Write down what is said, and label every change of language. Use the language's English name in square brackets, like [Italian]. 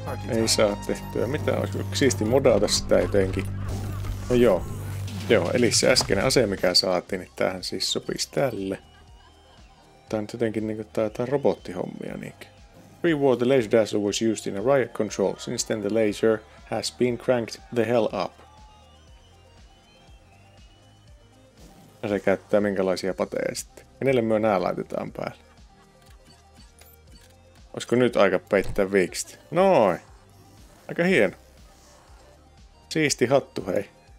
[Finnish] Ei saa tehtyä mitään, olisiko siisti modata sitä jotenkin. No joo, eli se äskeinen ase, mikä saatiin, niin tämähän siis sopisi tälle. Tää on nyt jotenkin niinku tää robottihommia niinkin. [English] Reward, the laser dazzle was used in a riot control, since then the laser has been cranked the hell up. [Finnish] Ja se käyttää minkälaisia pateja sitten. Kenelle myö nää laitetaan päälle? Olisiko nyt aika peittää viikset? Noin! Aika hieno. Siisti hattu, hei.